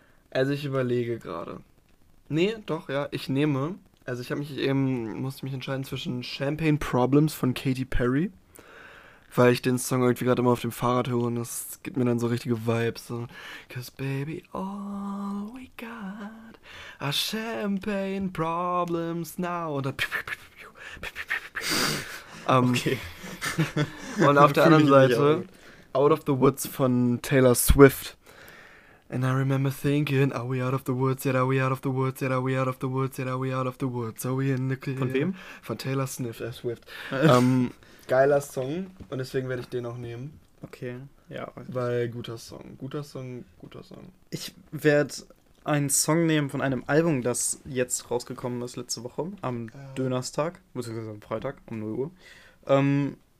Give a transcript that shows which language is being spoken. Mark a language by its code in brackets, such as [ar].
[de] Also ich überlege gerade. Nee, doch, ja, ich nehme, also ich habe mich eben, musste mich entscheiden zwischen Champagne Problems von Katy Perry. Weil ich den Song irgendwie gerade immer auf dem Fahrrad höre und das gibt mir dann so richtige Vibes. So. [en] 'Cause baby, all we got are champagne problems now. [de] Und dann okay. Und auf der anderen Seite, Out of the Woods von Taylor Swift. [en] And I remember thinking, are we out of the woods yet? Are we out of the woods yet? Are we out of the woods yet? Are we out of the woods? Are we in the clear? [de] Von wem? Von Taylor Swift. geiler Song und deswegen werde ich den auch nehmen. Okay. Ja. Weil guter Song. Guter Song, guter Song. Ich werde einen Song nehmen von einem Album, das jetzt rausgekommen ist letzte Woche, am Donnerstag, beziehungsweise am Freitag, um 0 Uhr.